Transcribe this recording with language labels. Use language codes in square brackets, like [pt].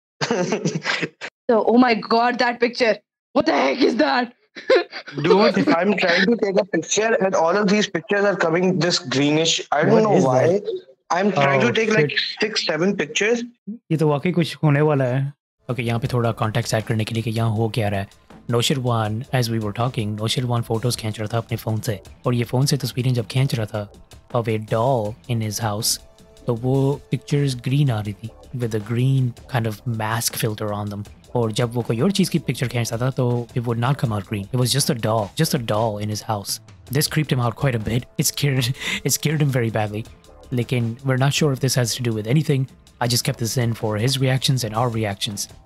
[en] So, oh my god, that picture. What the heck is that? Dude, I'm trying to take a picture and all of these pictures are coming this greenish. I don't know why. That? I'm trying to take like 6-7 pictures. [hi] ये तो वाकई कुछ होने वाला है. Okay, यहाँ पे थोड़ा context add करने के लिए कि यहाँ हो क्या रहा है. Noshirwaan, [en] as we were talking, [hi] Noshirwaan photos खींच रहा था अपने फोन से. और ये फोन से तस्वीरें जब खींच रहा था, [en] of a doll in his house, [hi] तो वो pictures green आ रही थी. [en] With a green kind of mask filter on them. [hi] Or jab wo koi aur cheez ki picture khinchta tha, toh [en] it would not come out green. It was just a doll in his house. This creeped him out quite a bit. It scared him very badly. Lekin, we're not sure if this has to do with anything. I just kept this in for his reactions and our reactions.